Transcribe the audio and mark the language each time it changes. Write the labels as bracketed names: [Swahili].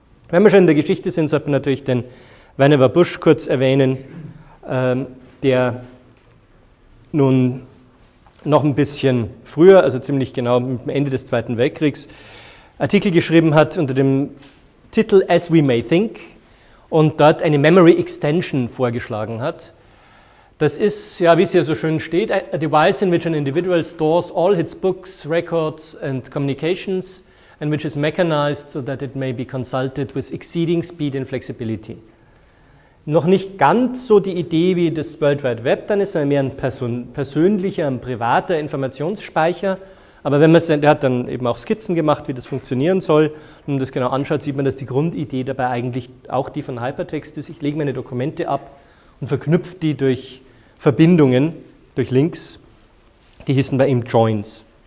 [German] Wenn wir schon in der Geschichte sind, sollte man natürlich den Vannevar Bush kurz erwähnen, der nun noch ein bisschen früher, also ziemlich genau mit dem Ende des Zweiten Weltkriegs, Artikel geschrieben hat unter dem Titel As We May Think und dort eine Memory Extension vorgeschlagen hat. Das ist, ja, wie es hier so schön steht, [English] a device in which an individual stores all his books, records and communications and which is mechanized so that it may be consulted with exceeding speed and flexibility. [German] Noch nicht ganz so die Idee wie das World Wide Web dann ist, sondern mehr ein persönlicher, ein privater Informationsspeicher. Aber wenn man es, der hat dann eben auch Skizzen gemacht, wie das funktionieren soll, und das genau anschaut, sieht man, dass die Grundidee dabei eigentlich auch die von Hypertext ist. Ich lege meine Dokumente ab und verknüpfe die durch Verbindungen, durch Links, die hießen bei ihm Joins.